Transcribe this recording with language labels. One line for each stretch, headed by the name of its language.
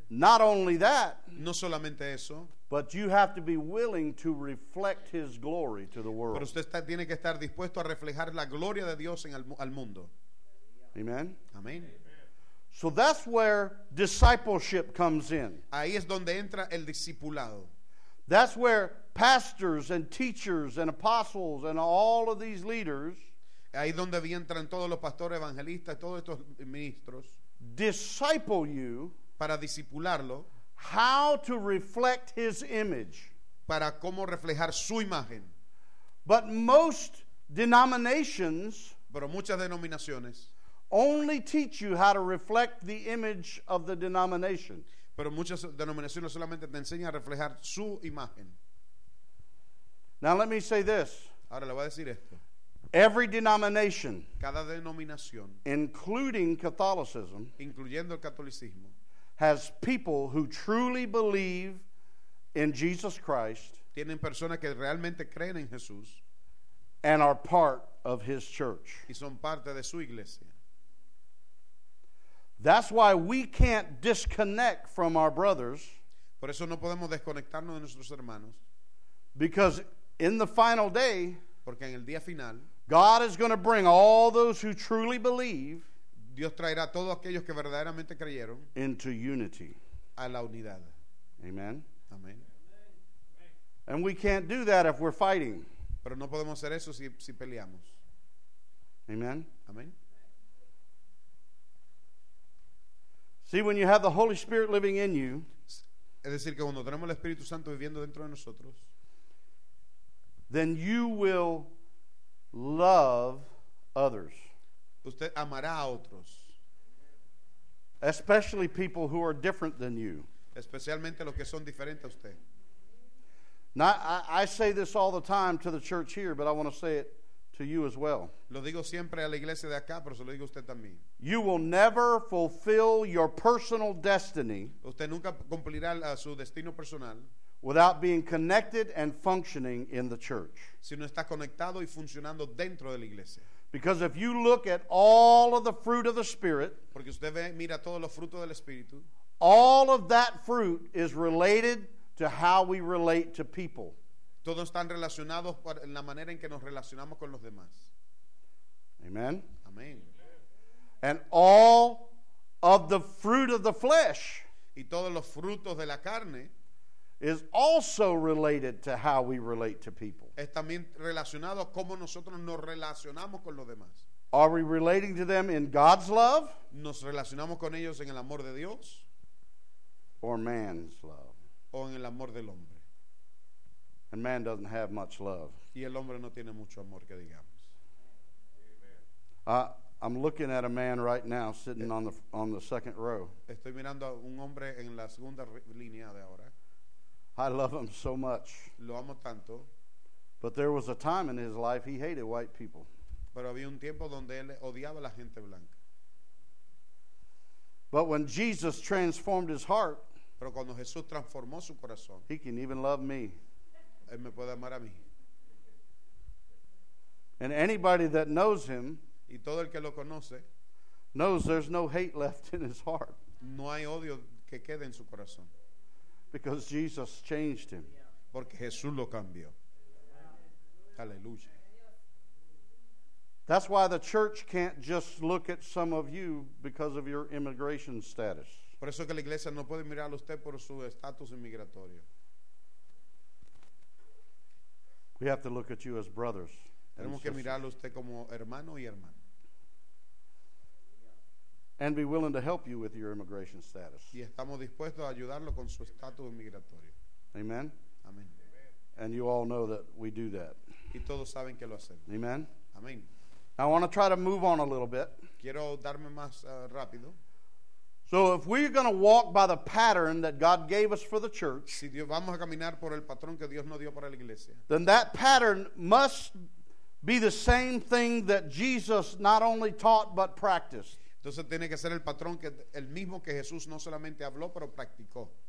English: Not only that.
Spanish: No solamente eso.
English: But you have to be willing to reflect His glory to the world.
Spanish: Pero usted tiene que estar dispuesto a reflejar la gloria de Dios en al mundo.
English: Amen.
Spanish: Amen.
English: So that's where discipleship comes in.
Spanish: Ahí es donde entra el discipulado.
English: That's where pastors and teachers and apostles and all of these leaders.
Spanish: Ahí donde entran todos los pastores, evangelistas, todos estos ministros.
English: Disciple you.
Spanish: Para discipularlo.
English: How to reflect His image.
Spanish: Para cómo reflejar su imagen.
English: But most denominations.
Spanish: Pero muchas denominaciones.
English: Only teach you how to reflect the image of the denomination.
Spanish: Pero muchas denominaciones solamente te enseñan a reflejar su imagen.
English: Now let me say this.
Spanish: Ahora le voy a decir esto.
English: Every denomination,
Spanish: cada denominación,
English: including Catholicism,
Spanish: incluyendo el catolicismo,
English: has people who truly believe in Jesus Christ,
Spanish: tienen personas que realmente creen en Jesús,
English: and are part of His church.
Spanish: Y son parte de su iglesia.
English: That's why we can't disconnect from our brothers.
Spanish: Por eso no podemos desconectarnos de nuestros hermanos.
English: Because in the final day,
Spanish: porque en el día final,
English: God is going to bring all those who truly believe,
Spanish: Dios traerá todos aquellos que verdaderamente creyeron,
English: into unity.
Spanish: A la unidad.
English: Amen.
Spanish: Amen.
English: And we can't do that if we're fighting.
Spanish: Pero no podemos hacer eso si peleamos.
English: Amen.
Spanish: Amen.
English: See, when you have the Holy Spirit living in you,
Spanish: es decir, que cuando tenemos el Espíritu Santo viviendo dentro de nosotros,
English: then you will love others.
Spanish: Usted amará a otros.
English: Especially people who are different than you.
Spanish: Especialmente los que son diferentes a usted.
English: Now, I say this all the time to the church here, but I want to say it to you as well.
Spanish: Lo digo siempre a la iglesia de acá, pero se lo digo a usted también.
English: You will never fulfill your personal destiny.
Spanish: Usted nunca cumplirá su destino personal.
English: Without being connected and functioning in the church.
Spanish: Si no está conectado y funcionando dentro de la iglesia.
English: Because if you look at all of the fruit of the Spirit.
Spanish: Porque usted mira todos los frutos del Espíritu.
English: All of that fruit is related to how we relate to people.
Spanish: Todos están relacionados por la manera en que nos relacionamos con los demás.
English: Amen.
Spanish: Amen.
English: And all of the fruit of the flesh.
Spanish: Y todos los frutos de la carne.
English: Is also related to how we relate to people.
Spanish: Es también relacionado cómo nosotros nos relacionamos con los demás.
English: Are we relating to them in God's love?
Spanish: Nos relacionamos con ellos en el amor de Dios.
English: Or man's love.
Spanish: O en el amor del hombre.
English: And man doesn't have much love.
Spanish: Y el hombre no tiene mucho amor, que digamos.
English: I'm looking at a man right now sitting on the second row.
Spanish: Estoy mirando a un hombre en la segunda línea de ahora.
English: I love him so much.
Spanish: Lo amo tanto.
English: But there was a time in his life he hated white people.
Spanish: Pero había un tiempo donde él odiaba a la gente blanca.
English: But when Jesus transformed his heart,
Spanish: pero cuando Jesús transformó su corazón,
English: he can even love me.
Spanish: Él me puede amar a mí.
English: And anybody that knows him,
Spanish: y todo el que lo conoce,
English: knows there's no hate left in his heart.
Spanish: No hay odio que quede en su corazón.
English: Because Jesus changed him.
Spanish: Porque Jesús lo cambió. Aleluya.
English: That's why the church can't just look at some of you because of your immigration status.
Spanish: Por eso que la iglesia no puede mirar a usted por su estatus inmigratorio.
English: We have to look at you as brothers.
Spanish: Tenemos que mirarlo usted como hermano y hermana.
English: And be willing to help you with your immigration status.
Spanish: Y estamos dispuestos a ayudarlo con su estatus migratorio.
English: Amen.
Spanish: Amen.
English: And you all know that we do that.
Spanish: Y todos saben que lo hacemos.
English: Amen.
Spanish: Amen.
English: I want to try to move on a little bit.
Spanish: Quiero darme más rápido.
English: So if we're going to walk by the pattern that God gave us for the church,
Spanish: si Dios, vamos a caminar por el patrón que Dios nos dio para la iglesia,
English: then that pattern must be the same thing that Jesus not only taught but practiced.
Spanish: Entonces tiene que ser el patrón que el mismo que Jesús no solamente habló pero practicó.